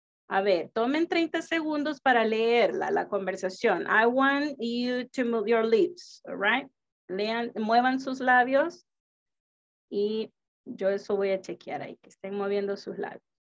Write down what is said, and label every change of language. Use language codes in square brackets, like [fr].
[es] A ver, tomen 30 segundos para leerla, la conversación. [en] I want you to move your lips, all right? [es] Lean, muevan sus labios y yo eso voy a chequear ahí, que estén moviendo sus labios.